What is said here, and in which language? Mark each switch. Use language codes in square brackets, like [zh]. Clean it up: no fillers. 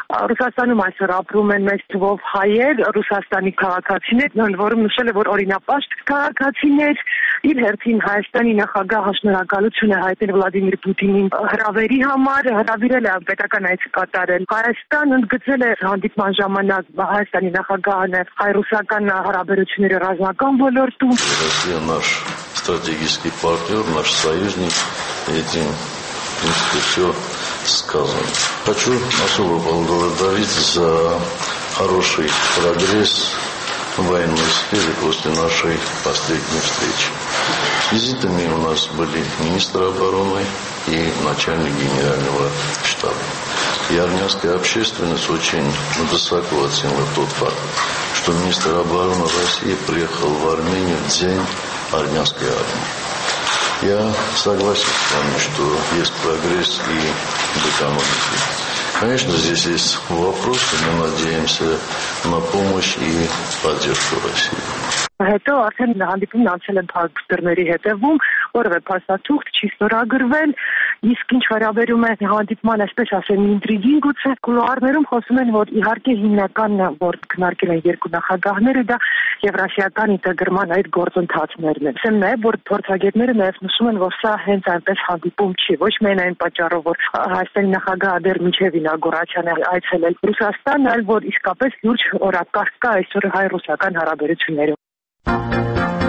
[hy] Ռուսաստանում այսօր ապրում են մեծ թվով հայեր, ռուսաստանի քաղաքացիներ, նրանք որում նշել է, որ օրինապաշտ քաղաքացիներ, իր հերթին Հայաստանի նախագահ հաշնորակալություն է հայտնել Վլադիմիր Պուտինին հրավերի համար, հրավիրել է պետական այցը կատարել Հայաստանը, ընդգծել է հանդիպման ժամանակ Հայաստանի նախագահն հայ-ռուսական հարաբերությունների ռազմական ոլորտում։ [ru] Ռուսիա նոր ստրատեգիկ պարտներ, նոր союзник, этим просто всё сказано. Хочу особо поблагодарить за хороший прогресс в военной сфере после нашей последней встречи. С визитами у нас были министр обороны и начальник генерального штаба. И армянская общественность очень высоко оценила тот факт, что министр обороны России приехал в Армению в день армянской армии. Я согласен с вами, что есть прогресс и в экономике. Конечно, здесь есть вопросы, мы надеемся на помощь и поддержку России. [hy] հետո արդեն հանդիպումն անցել են փակստերների հետևում, որևէ փաստաթուղթ չի ստորագրվել, իսկ ինչ վերաբերում է հանդիպման, այսպես ասեմ, ինտրիգին, գուցե կուլուարներում խոսում են, որ իհարկե հիմնականն է, որ քննարկել են երկու նախագահները, դա եվրասիական ինտեգրման այդ գործընթացներն են։ Ասեմ նաև, որ փորձագետները նաև նշում են, որ սա հենց այնպես հանդիպում չի, ոչ միայն այն պատճառով, որ Հայաստանի նախագահը դեռ մինչև ինագուրացիան է այցելել Ռուսաստան, այլ որ իսկապես լուրջ օրակարգ կա այսօր հայ-ռուսական հարաբերություններում։